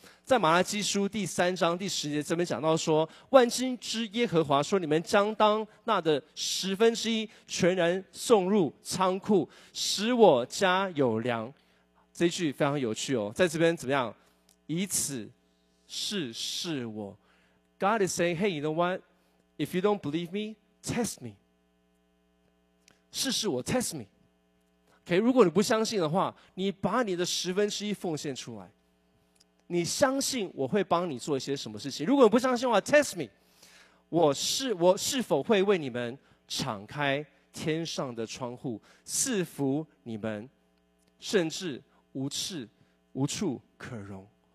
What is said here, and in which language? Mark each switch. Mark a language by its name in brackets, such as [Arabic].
[Chinese] 在马拉基书3:10这边讲到说，万军之耶和华说，你们将当那的10%全然送入仓库，使我家有粮。这一句非常有趣哦，在这边怎么样？以此试试我。 [English] God is saying, hey, you know what? If you don't believe me, test me. [Chinese] 试试我， [English] test me. [Chinese] Okay, 如果你不相信的话，你把你的10%奉献出来，你相信我会帮你做一些什么事情。如果你不相信的话， [English] test me， [Chinese] 我是否会为你们敞开天上的窗户，赐福你们，甚至无处可容。